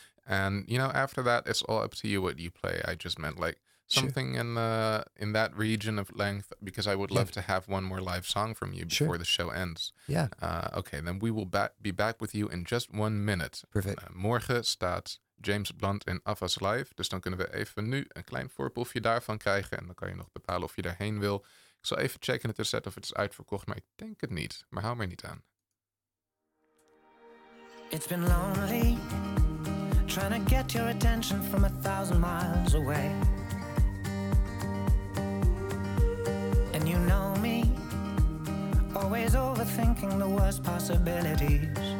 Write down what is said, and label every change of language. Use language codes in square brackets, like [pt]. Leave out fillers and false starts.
[en] And, you know, after that, it's all up to you what you play. I just meant like something in that region of length, because I would love to have one more live song from you before the show ends. Yeah. Okay, then we will be back with you in just 1 minute. Perfect. [nl] Morgen staat James Blunt in Afas Live. Dus dan kunnen we even nu een klein voorproefje daarvan krijgen. En dan kan je nog bepalen of je daarheen wil. Ik zal even checken het set of het is uitverkocht, maar ik denk het niet. Maar hou mij niet aan. [en] It's been lonely, trying to get your attention from 1,000 miles away. And you know me, always overthinking the worst possibilities.